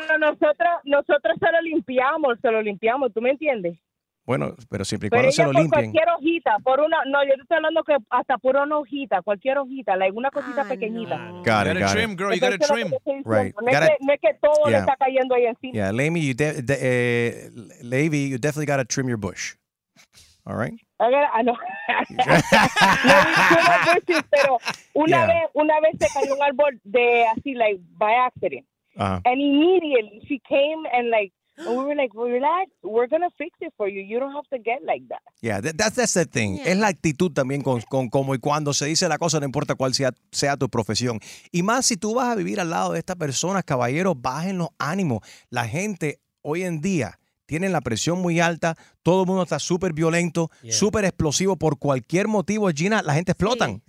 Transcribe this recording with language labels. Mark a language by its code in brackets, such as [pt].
[es] No, pero nosotros se lo limpiamos, ¿tú me entiendes? Bueno, pero siempre y cuando se lo limpien. Pero cualquier hojita, yo te estoy hablando que hasta por una hojita, cualquier hojita, una cosita pequeñita. No. [en] Got it. Trim, girl, you gotta trim. Right. [es] No es que todo le está cayendo ahí encima. [en] Yeah, Lamy, you definitely gotta trim your bush. All right? [es] Una vez se cayó un árbol de así, [en] by accident. Uh-huh. And immediately she came and And we were like, well, relax, we're going to fix it for you. You don't have to get like that. Yeah, that's the thing. Yeah. [es] Es la actitud también con cómo y cuando se dice la cosa, no importa cuál sea tu profesión. Y más si tú vas a vivir al lado de estas personas, caballeros, bajen los ánimos. La gente hoy en día tiene la presión muy alta. Todo el mundo está súper violento, súper explosivo. Por cualquier motivo, Gina, la gente explotan.